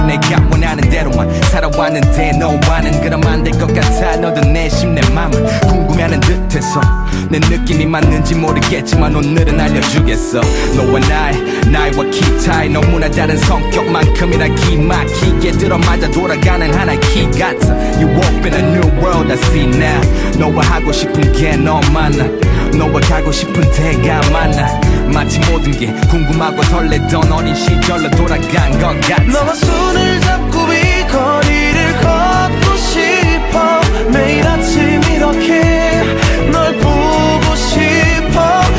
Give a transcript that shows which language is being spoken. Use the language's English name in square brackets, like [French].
[Korean] 내가 원하는 대로만 살아왔는데 너와는 그러면 안 될 것 같아. 너도 내 심 내 맘을 궁금해하는 듯해서 내 느낌이 맞는지 모르겠지만 오늘은 알려주겠어. 너와 나의 나이와 키 차이 너무나 다른 성격만큼이나 기막히게 들어맞아 돌아가는 하나의 키 같아. [English] You open a new world I see now. [Korean] 너와 하고 싶은 게 너만아. 너와 가고 싶은 데가 많아. 마치 모든 게 궁금하고 설레던 어린 시절로 돌아간 것 같아. 너와 손을 잡고 이 거리를 걷고 싶어. 매일 아침 이렇게 널 보고 싶어.